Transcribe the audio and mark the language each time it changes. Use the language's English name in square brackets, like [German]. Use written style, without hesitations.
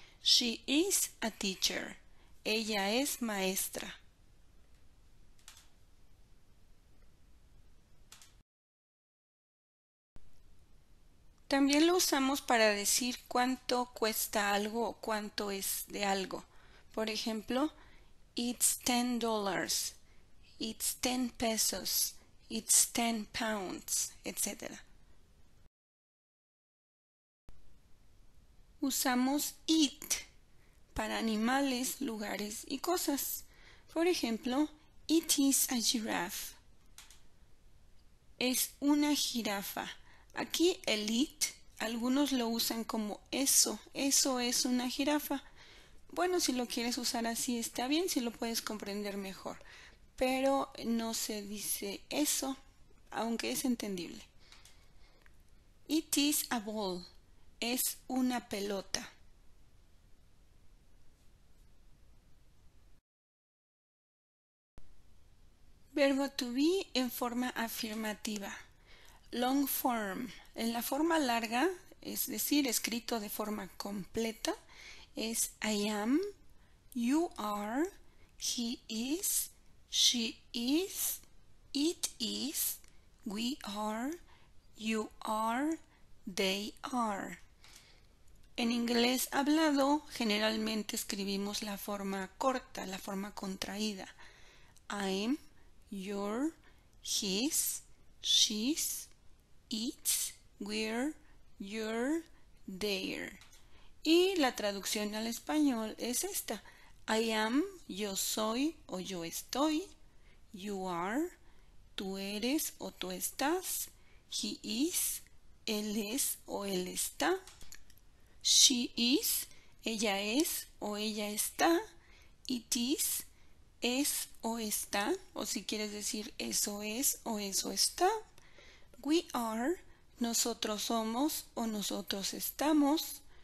[English] She is a teacher. [Spanish] Ella es maestra. También lo usamos para decir cuánto cuesta algo o cuánto es de algo. Por ejemplo, [English] it's $10, it's 10 pesos, it's 10 pounds, etc. [Spanish] Usamos it para animales, lugares y cosas. Por ejemplo, [English] it is a giraffe. [Spanish] Es una jirafa. Aquí el it, algunos lo usan como eso es una jirafa. Bueno, si lo quieres usar así está bien, si lo puedes comprender mejor. Pero no se dice eso, aunque es entendible. [English] It is a ball. [Spanish] Es una pelota. Verbo to be en forma afirmativa. [English] Long form. [Spanish] En la forma larga, es decir, escrito de forma completa. [English] Es I am, you are, he is, she is, it is, we are, you are, they are. [Spanish] En inglés hablado, generalmente escribimos la forma corta, la forma contraída. [English] I'm, you're, his, she's, it's, we're, you're, they're. [Spanish] Y la traducción al español es esta: I am, yo soy o yo estoy, you are, tú eres o tú estás, he is, él es o él está, she is, ella es o ella está, it is, es o está, o si quieres decir eso es o eso está, we are, nosotros somos o nosotros estamos.